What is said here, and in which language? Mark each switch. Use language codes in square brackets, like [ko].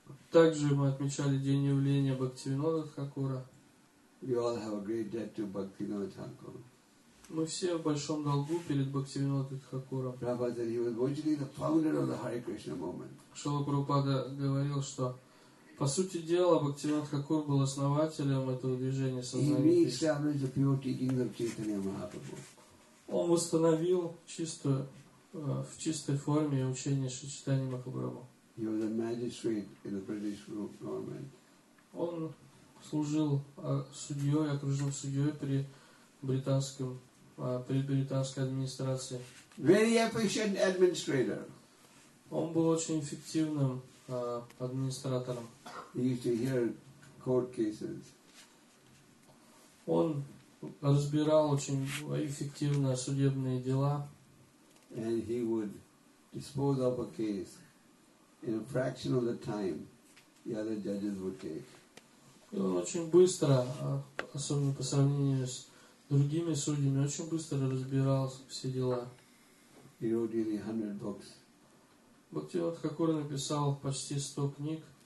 [ru] Также мы отмечали день явления Бхактивинода Тхакура. [en] We all have a great debt to Bhaktivinoda Thakur. [ru] Мы все в большом долгу перед Бхактивинодой Тхакуром. [en] Prabhupada said he was originally the founder of the Hare Krishna movement. [ru] Шрила Прабхупада говорил, что по сути дела Бхактивинода Тхакур был основателем этого движения сознания Кришны. Он восстановил чистую в чистой форме учение Шри Чайтанья Махапрабху. [en] He was a magistrate in the British government. [ru] Он служил судьей, окружным судьей при британском, при британской администрации. [en] Very efficient administrator. [ru] Он был очень эффективным администратором. [en] He used to hear court cases. [ru] Он разбирал очень эффективно судебные дела. [en] And he would dispose of a case in a fraction of the time the other judges would take. [ru] Он очень быстро, особенно по сравнению с другими судьями, очень быстро разбирал все дела. [en] He wrote nearly 100 books. [ru] Бхактивинода Тхакур написал почти 100 книг.